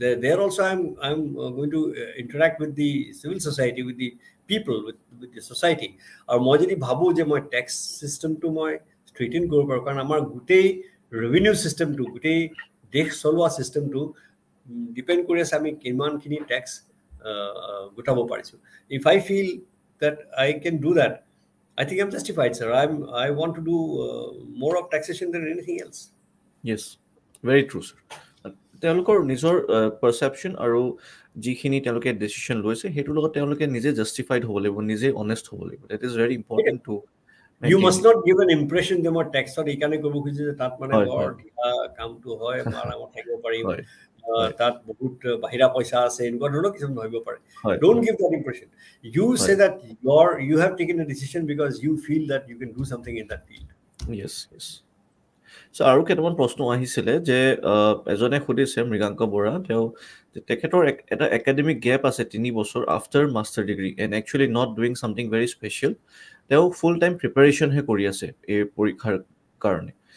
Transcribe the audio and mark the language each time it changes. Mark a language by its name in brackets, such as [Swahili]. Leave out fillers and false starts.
[English] There also' I am going to interact with the civil society, with the people, with the society. [Assamese] আৰু মই যদি ভাবোঁ যে মই টেক্স ছিষ্টেমটো মই ষ্ট্ৰেইটেন কৰিব পাৰোঁ, কাৰণ আমাৰ গোটেই ৰেভিনিউ ছিষ্টেমটো, গোটেই দেশ চলোৱা ছিষ্টেমটো ডিপেণ্ড কৰি আছে আমি কিমানখিনি টেক্স গোটাব পাৰিছোঁ। [English] If I feel that I can do that, I think I am justified sir. I want to do more of taxation than anything else. Yes, very true sir. [Assamese] তেওঁলোকৰ নিজৰ পাৰ্চেপশ্যন আৰু যিখিনি তেওঁলোকে ডিচিশ্যন লৈছে সেইটোৰ লগত তেওঁলোকে নিজে জাষ্টিফাইড হ'ব লাগিব, নিজে অনেষ্ট হ'ব লাগিব। [English] that is very important to you must not give an impression [Assamese] যে মই টেক্সত এইকাৰণে কৰিব খুজিছোঁ যে তাত মানে কামটো হয় বা আৰামত থাকিব পাৰিম, তাত বহুত বাহিৰা পইচা আছে, এনেকুৱা ধৰণৰ কিছুমান ভাবিব পাৰে। [English] Don't give that impression, you say that you have taken a decision because you feel that you can do something in that field. [Assamese] Sir, আৰু কেইটামান প্ৰশ্ন আহিছিলে যে এজনে সুধিছে, মৃগাংক বৰা, তেওঁ তেখেতৰ এটা একাডেমিক গেপ আছে 3 বছৰ [English] after master degree and actually not doing something very special, [Assamese] তেওঁ ফুল টাইম প্ৰিপেৰেশ্যনহে কৰি আছে এই পৰীক্ষাৰ কাৰণে।